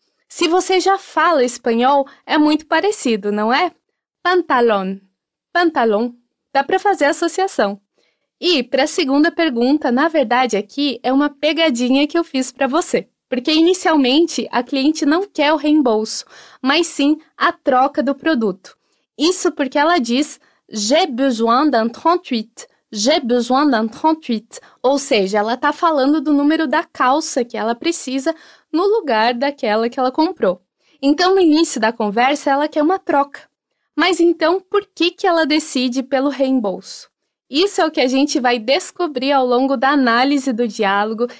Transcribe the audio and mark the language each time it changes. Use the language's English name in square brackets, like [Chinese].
[Portuguese] Se você já fala espanhol, é muito parecido, não é? Pantalón, pantalón, dá para fazer associação. E, para a segunda pergunta, na verdade, aqui é uma pegadinha que eu fiz para você. Porque, inicialmente, a cliente não quer o reembolso, mas sim a troca do produto. Isso porque ela diz, [French] j'ai besoin d'un 38, [Portuguese] j'ai besoin d'un 38. Ou seja, ela está falando do número da calça que ela precisa no lugar daquela que ela comprou. Então, no início da conversa, ela quer uma troca. Mas, então, por que, que ela decide pelo reembolso? Isso é o que a gente vai descobrir ao longo da análise do diálogo.